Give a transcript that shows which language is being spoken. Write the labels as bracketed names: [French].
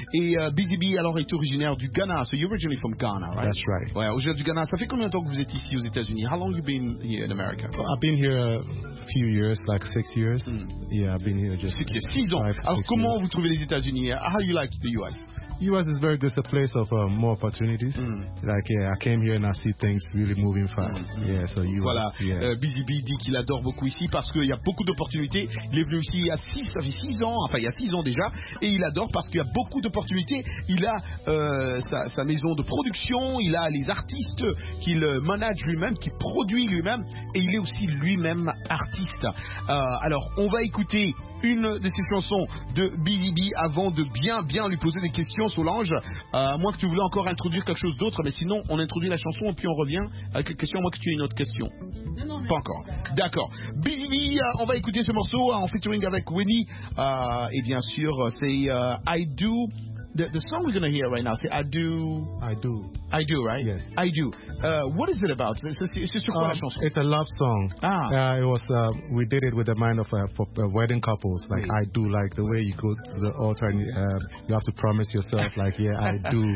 [French] Et Busy Bee, alors, est originaire du Ghana. [English] So you're originally from Ghana, right? That's right. [French] Ouais, originaire du Ghana. Ça fait combien de temps que vous êtes ici aux États-Unis? [English] How long you been here in America? Well, I've been here a few years, like 6 years. Yeah, I've been here just 6 years. [French] 6 ans. Alors, comment vous trouvez les États-Unis? [English] How you like the U.S.? U.S. is very good. It's a place of more opportunities. Mm. Like, yeah, I came here and I see things really moving fast. Mm-hmm. Yeah, so U.S. [French] Voilà. [English] Yeah. [French] Busy Bee dit qu'il adore beaucoup ici parce qu'il y a beaucoup d'opportunités. Il est venu ici il y a six ans déjà. Et il adore parce qu'il y a beaucoup d'opportunités. Il a sa maison de production. Il a les artistes qu'il manage lui-même, qu'il produit lui-même. Et il est aussi lui-même artiste. Alors, on va écouter une de ses chansons de Busy Bee avant de bien lui poser des questions, Solange. Moi que tu voulais encore introduire quelque chose d'autre, mais sinon on introduit la chanson et puis on revient avec les questions. Moi que tu as une autre question? Non, pas encore. D'accord. Busy Bee, on va écouter ce morceau en featuring avec Winnie. Et bien sûr, c'est I Do. [English] The song we're going to hear right now, [French] c'est I Do, [English] right? Yes. I Do. What is it about? [French] C'est sur quoi la chanson? [English] It's a love song. Ah. It was, we did it with the mind of wedding couples. Like, oui. I do, like the way you go to the altar and you have to promise yourself, like, yeah, I do.